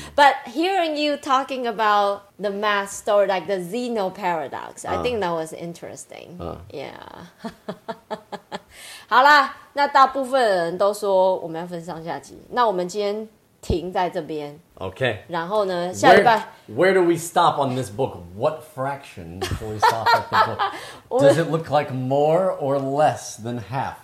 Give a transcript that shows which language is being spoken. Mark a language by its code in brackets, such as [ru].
[en] But hearing you talking about the math story, like the Zeno paradox, I think that was interesting. Yeah. [zh] 好啦,那大部分人都说我们要分上下集,那我们今天停在这边。 [en] Okay. [zh] 然后呢,下礼拜... [en] Where do we stop on this book? What fraction do we stop at the book? Does it look like more or less than half?